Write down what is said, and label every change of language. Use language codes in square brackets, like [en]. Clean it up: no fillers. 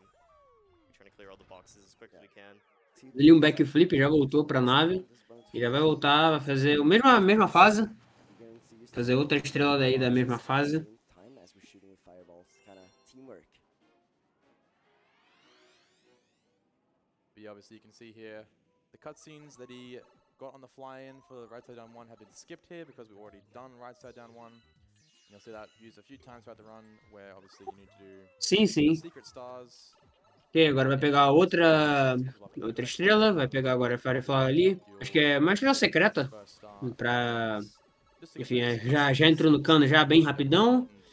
[en] We're trying to clear all the boxes as quick as we can. [pt] Ele um backflip, já voltou pra nave. E já vai voltar, vai fazer a mesma fase. Fazer outra estrela daí da mesma fase. Ok, [en] obviously you can see here, the cutscenes that he got on the fly-in for the right side down one have been skipped here because we've already done right side down one. And you'll see that used a few times throughout the run where obviously you need to do secret stars. [pt] Ok, agora vai pegar outra estrela, vai pegar agora a Firefly ali, acho que é uma estrela secreta, pra... Enfim, já entrou no cano já bem rapidão.